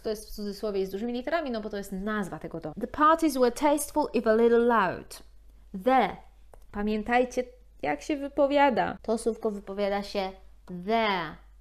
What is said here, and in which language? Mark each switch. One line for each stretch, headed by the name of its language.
Polish: To jest w cudzysłowie z dużymi literami, no bo to jest nazwa tego domu.
English: The parties were tasteful if a little loud. The.
Polish: Pamiętajcie, jak się wypowiada. To słówko wypowiada się the.